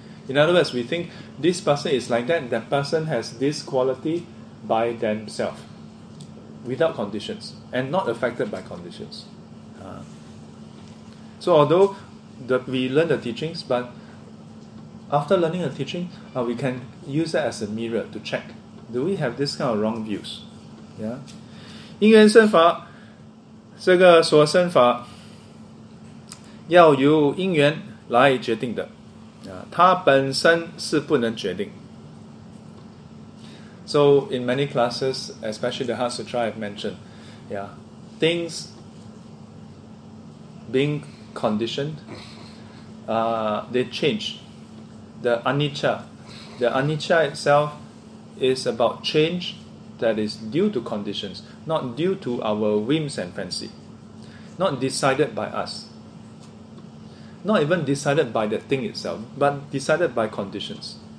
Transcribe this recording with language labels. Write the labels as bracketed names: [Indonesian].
[English] In other words, we think this person is like that, that person has this quality by themselves. Without conditions. And not affected by conditions. So although we learn the teachings, but after learning the teaching, we can use that as a mirror to check. Do we have this kind of wrong views? Yeah. [Chinese] 因缘生法, 这个所生法, 要由因缘来决定的, 它本身是不能决定。 [English] So in many classes, especially the Heart Sutra, I've mentioned, yeah, things being conditioned, they change. The anicca itself is about change that is due to conditions, not due to our whims and fancy, not decided by us, not even decided by the thing itself, but decided by conditions.